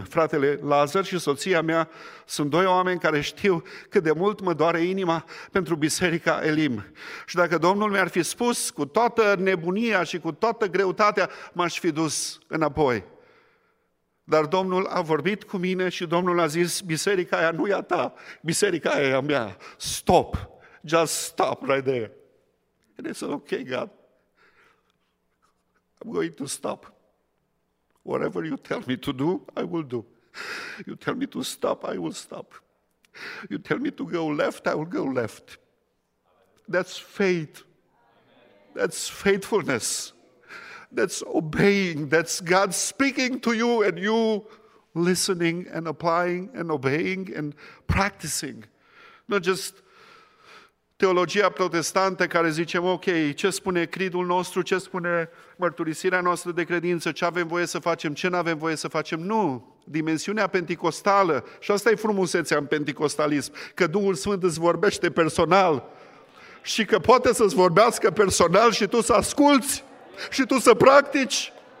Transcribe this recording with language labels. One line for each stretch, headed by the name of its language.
Romanian: Fratele Lazar și soția mea sunt doi oameni care știu cât de mult mă doare inima pentru Biserica Elim. Și dacă Domnul mi-ar fi spus cu toată nebunia și cu toată greutatea, m-aș fi dus înapoi. Dar Domnul a vorbit cu mine și Domnul a zis, biserica aia nu e a ta, biserica aia e a mea.
English: Stop! Just stop right there! And I said, okay, God, I'm going to stop. Whatever you tell me to do, I will do. You tell me to stop, I will stop. You tell me to go left, I will go left. That's faith. That's faithfulness. That's obeying. That's God speaking to you and you listening and applying and obeying and practicing. Not just
Romanian: teologia protestantă care zicem, ok, ce spune creedul nostru, ce spune mărturisirea noastră de credință, ce avem voie să facem, ce nu avem voie să facem. Nu, dimensiunea penticostală, și asta e frumusețea în penticostalism, că Duhul Sfânt îți vorbește personal și că poate să-ți vorbească personal și tu să asculți și tu să practici.